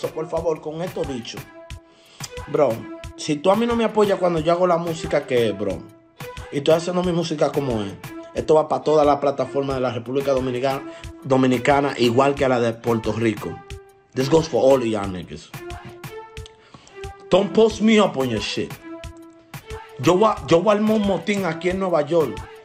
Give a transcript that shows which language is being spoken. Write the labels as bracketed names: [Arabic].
[Spanish] So, por favor, con esto dicho, bro, si tú a mí no me apoyas cuando yo hago la música que es, bro, y estoy haciendo mi música como es, esto va para toda la plataforma de la República Dominicana, igual que a la de Puerto Rico. [English] This goes for all of y'all niggas. Don't post me up on your shit. [Spanish] Yo voy a armar un motín aquí en Nueva York.